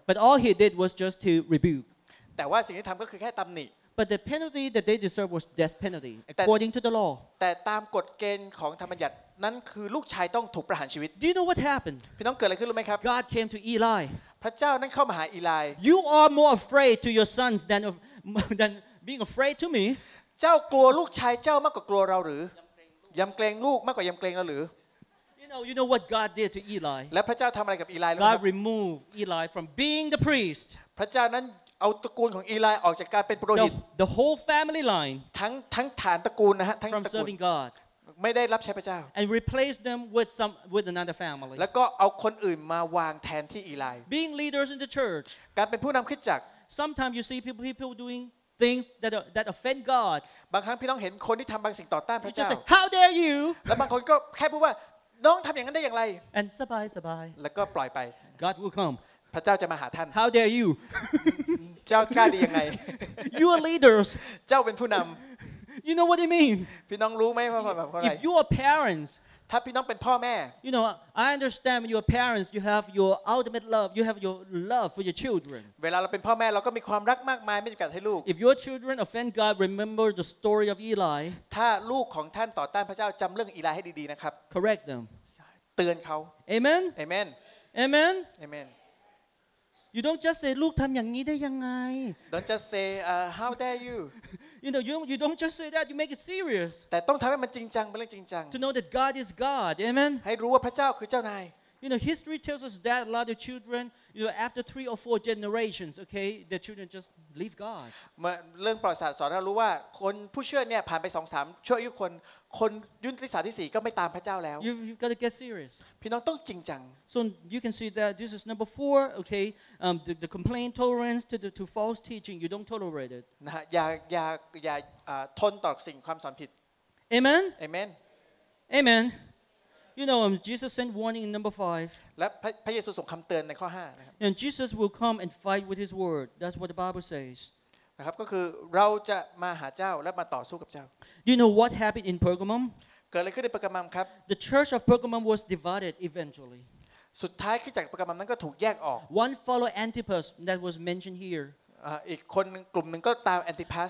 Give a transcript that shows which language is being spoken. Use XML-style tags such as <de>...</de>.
<en>But all he did was just to rebuke.</en> <th>แต่ว่าสิ่งที่ทำก็คือแค่ตำหนิ</th> <en>But the penalty that they deserve was death penalty according to the law.</en> <th>แต่ตามกฎเกณฑ์ของธรรมบัญญัตินั้นคือลูกชายต้องถูกประหารชีวิต</th> <en>Do you know what happened?</en> <th>พี่น้องเกิดอะไรขึ้นรู้ไหมครับ</th> <en>God came to Eli.</en> <th>พระเจ้านั้นเข้ามาหาอีไล</th> <en>You are more afraid to your sons than being afraid to me.</en> <th>เจ้ากลัวลูกชายเจ้ามากกว่ากลัวเราหรือยำเกรงลูกมากกว่ายำเกรงเราหรือ</th> <en>You know what God did to Eli?</en> <th>และพระเจ้าทำอะไรกับอีไล</th> <en>God removed Eli from being the priest.</en> <th>พระเจ้านั้นเอาตระกูลของอีไลออกจากการเป็นปุโรหิต</th> <en>The whole family line</en> <th>ทั้งฐานตระกูลนะฮะทั้งตระกู ลไม่ได้รับใช้พระเจ้า</th> <en>And replace them with another family</en> <th>แล้วก็เอาคนอื่นมาวางแทนที่อีไล</th> <en>Being leaders in the church</en> <th>การเป็นผู้นำคริสตจักร</th> <en>Sometimes you see people doing things that offend God</en> <th>บางครั้งพี่น้องเห็นคนที่ทำบางสิ่งต่อต้านพระเจ้า</th> <en>How dare you</en> <th>แล้วบางคนก็แค่พูดว่าน้องทำอย่างนั้นได้อย่างไร And สบายสบาย แล้วก็ปล่อยไป</th> <en>God will come</en> <th>พระเจ้าจะมาหาท่าน</th> <en>How dare you</en> <th>เจ้ากล้าดียังไง</th> <en>You are leaders</en> <th>เจ้าเป็นผู้นำ</th> <en>You know what I mean</en> <th>พี่น้องรู้ไหมว่าแบบอะไร</th> <en>If you are parents</en> <th>ถ้าพี่น้องเป็นพ่อแม่</th> <en>You know I understand when you are parents you have your ultimate love you have your love for your children</en> <th>เวลาเราเป็นพ่อแม่เราก็มีความรักมากมายไม่จำกัดให้ลูก</th> <en>If your children offend God remember the story of Eli</en> <th>ถ้าลูกของท่านต่อต้านพระเจ้าจำเรื่องอีไลให้ดีๆนะครับ</th> <en>Correct them</en> <th>เตือนเขา</th> <en>Amen Amen Amen Amen You don't just say</en> <th>ลูกทำอย่างนี้ได้ยังไง</th> <en>Don't just say how dare you You know you don't just say that you make it serious</en> <th>แต่ต้องทำให้มันจริงจังเป็นเรื่องจริงจัง</th> <en>To know that God is God Amen</en> <th>ให้รู้ว่าพระเจ้าคือเจ้านาย</th> <en>You know history tells us that a lot of children you know after 3 or 4 generations okay the children just leave God</en> <th>เรื่องประวัติศาสตร์สอนเรารู้ว่าคนผู้เชื่อเนี่ยผ่านไป 2-3 ชั่วอายุคนยุคที่ 3-4 ก็ไม่ตามพระเจ้าแล้ว</th> <en>You got to get serious</en> <th>พี่น้องต้องจริงจัง</th> <en>So you can see that this is number 4 okay the complaint tolerance to false teaching you don't tolerate it</en> <th>นะอย่าทนต่อสิ่งความสอนผิด</th> <en>Amen Amen AmenYou know, Jesus sent warning in number 5.</en> <th>และพระเยซูส่งคำเตือนในข้อ5นะครับ</th> <en>And Jesus will come and fight with his word. That's what the Bible says.</en> <th>นะครับก็คือเราจะมาหาเจ้าและมาต่อสู้กับเจ้า</th> <en>You know what happened in Pergamum?</en> <th>เกิดอะไรขึ้นในเปอร์กามัมครับ</th> <en>The church of Pergamum was divided eventually.</en> <th>สุดท้ายคริสตจักรเปอร์กามัมนั้นก็ถูกแยกออก</th> <en>One followed Antipas that was mentioned here.</en> <th>อีกคนกลุ่มนึงก็ตามแอนติพัส</th>